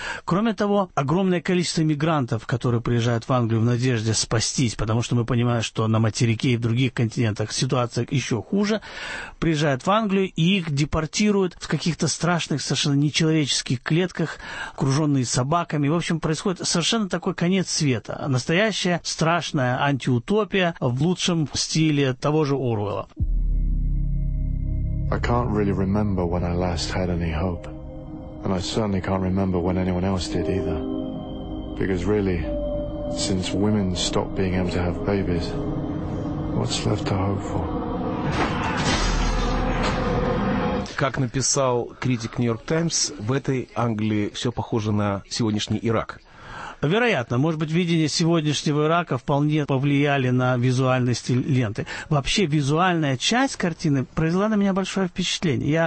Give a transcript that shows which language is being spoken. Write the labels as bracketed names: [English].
[Russian] Кроме того, огромное количество мигрантов, которые приезжают в Англию в надежде спастись, потому что мы понимаем, что на материке и в других континентах ситуация еще хуже, приезжают в Англию и их депортируют в каких-то страшных, совершенно нечеловеческих клетках, окруженные собаками. В общем, происходит совершенно такой конец света. Настоящая страшная антиутопия. Утопия в лучшем стиле того же Оруэлла. [English] I can't really remember when I last had any hope. And I certainly can't remember when anyone else did either. Because really, since women stopped being able to have babies, what's left to hope for? [Russian] Как написал критик New York Times, в этой Англии все похоже на сегодняшний Ирак. Вероятно, может быть, видение сегодняшнего Ирака вполне повлияли на визуальный стиль ленты. Вообще, визуальная часть картины произвела на меня большое впечатление.